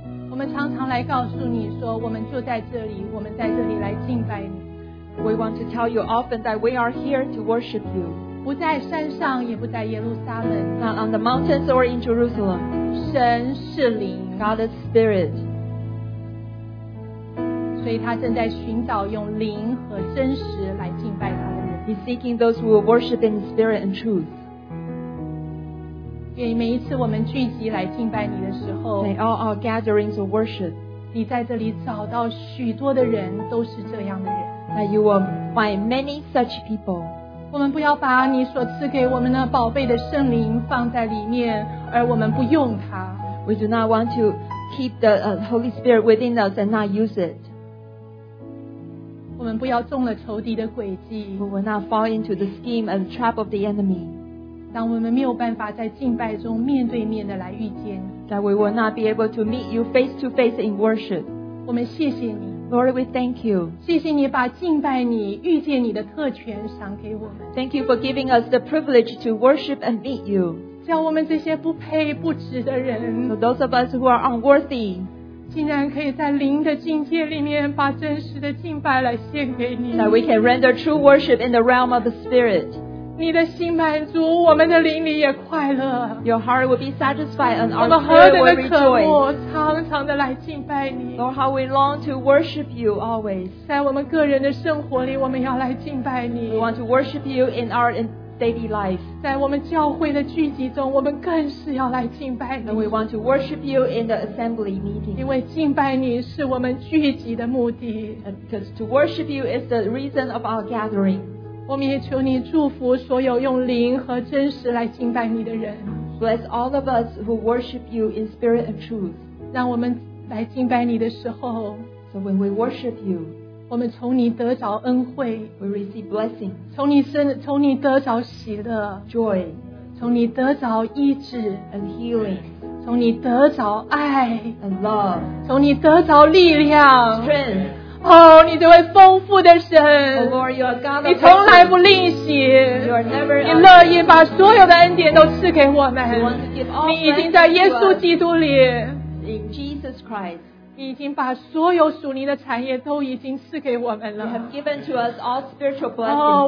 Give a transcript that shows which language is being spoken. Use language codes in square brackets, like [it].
[zh] 我们常常来告诉你说，我们就在这里，我们在这里来敬拜你。 [en] We want to tell you often that we are here to worship you. [zh] 不在山上，也不在耶路撒冷。 [en] Not on the mountains or in Jerusalem. [zh] 神是灵。 [en] God is spirit. [zh] 所以他正在寻找用灵和真实来敬拜他的人。 [en] He's seeking those who will worship in spirit and truth. [zh] 愿每一次我们聚集来敬拜你的时候 [en] May all our gatherings of worship [zh] 你在这里找到许多的人都是这样的人 [en] That you will find many such people [zh] 我们不要把你所赐给我们的宝贝的圣灵放在里面而我们不用它 [en] We do not want to keep the Holy Spirit within us and not use it [zh] 我们不要中了仇敌的诡计 [en] We will not fall into the scheme and trap of the enemy [zh] 当我们没有办法在敬拜中面对面的来遇见 [en] That we will not be able to meet you face to face in worship [zh] 我们谢谢你 [en] Lord we thank you [zh] 谢谢你把敬拜你遇见你的特权赏给我们 [en] Thank you for giving us the privilege to worship and meet you [zh] 叫我们这些不配不值的人 [en] So those of us who are unworthy [zh] 竟然可以在灵的境界里面把真实的敬拜来献给你 [en] That we can render true worship in the realm of the spirit [zh] 你的心满足我们的灵里也快乐 [en] Your heart will be satisfied and our spirit will rejoice 我 [zh] 们何等的渴慕常常的来敬拜你 [en] Lord how we long to worship you always [zh] 在我们个人的生活里我们要来敬拜你 [en] We want to worship you in our daily life [zh] 在我们教会的聚集中我们更是要来敬拜你 [en] And we want to worship you in the assembly meeting [zh] 因为敬拜你是我们聚集的目的 [en] Because to worship you is the reason of our gathering [zh] 我们也求你祝福所有用灵和真实来敬拜你的人 [en] Bless all of us who worship you in spirit and truth [zh] 让我们来敬拜你的时候 [en] So when we worship you [zh] 我们从你得着恩惠 [en] We receive blessing [zh] 从你得着喜乐 [en] Joy [zh] 从你得着医治 [en] And healing [zh] 从你得着爱 [en] And love [zh] 从你得着力量 [en] Strength [zh] Oh, 你这位丰富的神 [en] oh, Lord, you are God [zh] 你从来不吝惜 [en] you are never [zh] 你乐意把所有的恩典都赐给我们 [en] you want to give all [zh] 你已经在耶稣基督里 [en] In Jesus Christ [zh] 你已经把所有属灵的产业都已经赐给我们了 [en] you have given to us all spiritual blessings